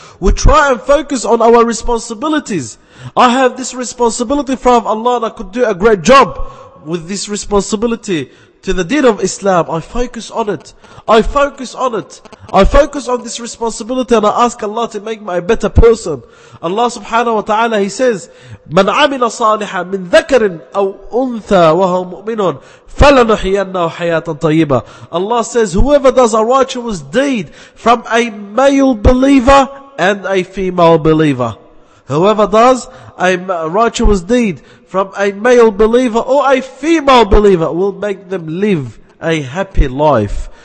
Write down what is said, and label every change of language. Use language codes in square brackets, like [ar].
[en] We try and focus on our responsibilities. I have this responsibility in front of Allah and I could do a great job with this responsibility to the deen of Islam. I focus on it. I focus on this responsibility and I ask Allah to make me a better person. [ar] Allah subhanahu wa ta'ala, [en] He says, [ar] مَنْ عَمِلَ صَالِحًا مِنْ ذَكَرٍ أَوْ أُنْثَى وَهُمْ مُؤْمِنٌ فَلَنُحْيَنَّهُ حَيَاةً طَيِّبًا. [en] Allah says, whoever does a righteous deed from a male believer and a female believer. Whoever does a righteous deed from a male believer or a female believer will make them live a happy life.